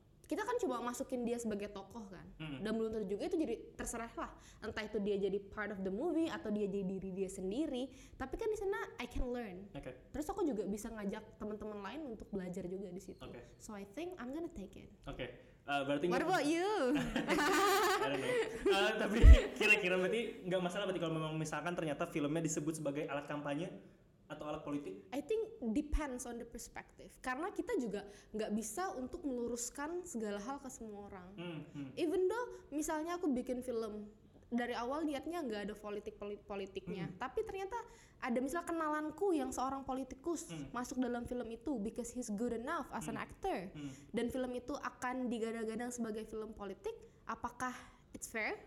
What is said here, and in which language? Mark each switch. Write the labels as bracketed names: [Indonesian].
[Indonesian] kita kan cuma masukin dia sebagai tokoh kan, dan belum tentu juga itu jadi terserah lah, entah itu dia jadi [English] part of the movie [Indonesian] atau dia jadi diri dia sendiri, tapi kan di sana [English] I can learn, [Indonesian] terus aku juga bisa ngajak teman-teman lain untuk belajar juga di situ, [English] so I think I'm gonna take it. [Indonesian] Berarti [English] what about you? I don't know. [Indonesian] Tapi kira-kira berarti nggak masalah berarti kalau memang misalkan ternyata filmnya disebut sebagai alat kampanye atau alat politik? [English] I think depends on the perspective. [Indonesian] Karena kita juga nggak bisa untuk meluruskan segala hal ke semua orang. [English] Even though [Indonesian] misalnya aku bikin film dari awal niatnya nggak ada politiknya, tapi ternyata ada misalnya kenalanku yang seorang politikus masuk dalam film itu [English] because he's good enough as an actor, [Indonesian] dan film itu akan digadang-gadang sebagai film politik, apakah [English] it's fair?